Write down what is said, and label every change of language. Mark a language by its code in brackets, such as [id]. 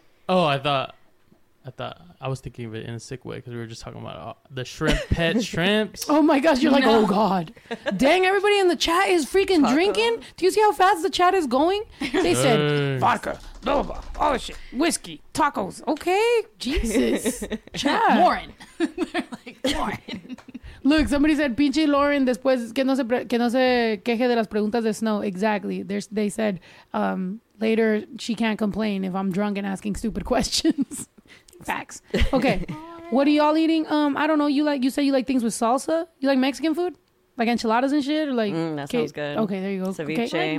[en] Oh, I thought I was thinking of it in a sick way because we were just talking about the shrimp pet shrimps. Oh my gosh, you're like, no. Oh God. Dang, everybody in the chat is freaking taco. Drinking. Do you see how fast the chat is going? They said vodka, boba, all the shit, whiskey, tacos. Okay, Jesus. Chat. Warren. They're like, Warren. Look, somebody said, [es] pinche Lauren, después que no se queje de las preguntas de Snow. [en] Exactly. They said, later she can't complain if I'm drunk and asking stupid questions. Facts. Okay. What are y'all eating? I don't know. You said you like things with salsa? You like Mexican food? Like enchiladas and shit? Or like, That sounds good. Okay, there you go. Ceviche, okay. Like